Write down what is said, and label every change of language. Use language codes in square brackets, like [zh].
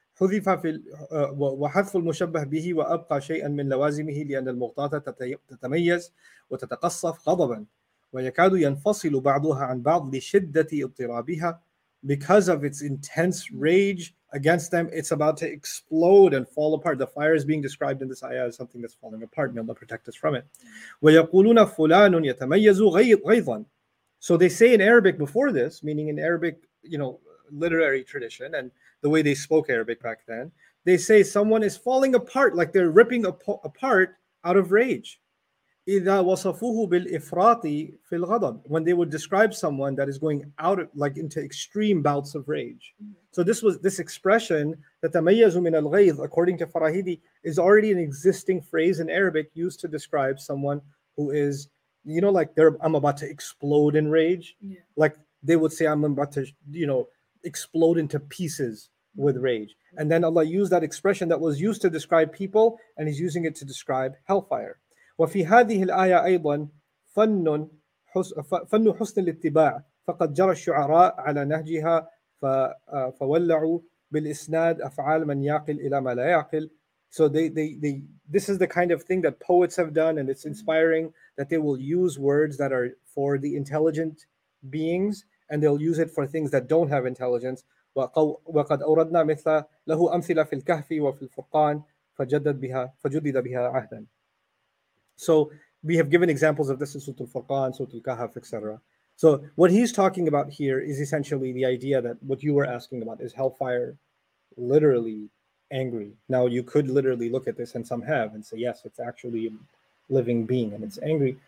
[ar] حذف في وحذف المشبه به وأبقى شيئا من لوازمه لأن المغطاة تتميز وتتقصف غضبا ويكاد ينفصل بعضها عن بعض لشدة اضطرابها. [en] Because of its intense rage against them, it's about to explode and fall apart. The fire is being described in this ayah as something that's falling apart. May Allah protect us from it. [ar] وَيَقُولُونَ فُلَانٌ يَتَمَيَّزُ غَيْظًا. [en] So they say in Arabic before this, meaning in Arabic, you know, literary tradition and the way they spoke Arabic back then, they say someone is falling apart, like they're ripping apart out of rage. [ar] إذا وصفوه بالإفراط في الغضب. [en] When they would describe someone that is going out of, like into extreme bouts of rage. So this was this expression that [ar] تَمَيَّزُ مِنَ الْغَيْظِ, [en] according to Farahidi, is already an existing phrase in Arabic used to describe someone who is, you know, like I'm about to explode in rage. Yeah. Like they would say, I'm about to, you know, explode into pieces with rage. And then Allah used that expression that was used to describe people, and He's using it to describe hellfire. [ar] وفي هذه الآية أيضا فن حسن الاتباع فقد جرى الشعراء على نهجها فولعوا بالإسناد أفعال من يعقل إلى ما لا يعقل. [en] So this is the kind of thing that poets have done, and it's inspiring that they will use words that are for the intelligent beings, and they'll use it for things that don't have intelligence. [ar] وقد أوردنا مثل له أمثلة في الكهف وفي الفرقان فجدد بها عهدا. [en] So we have given examples of this in Surah Al-Furqan, Surah Al-Kahf, etc. So what he's talking about here is essentially the idea that what you were asking about is hellfire literally angry. Now you could literally look at this, and some have, and say, yes, it's actually a living being and it's angry.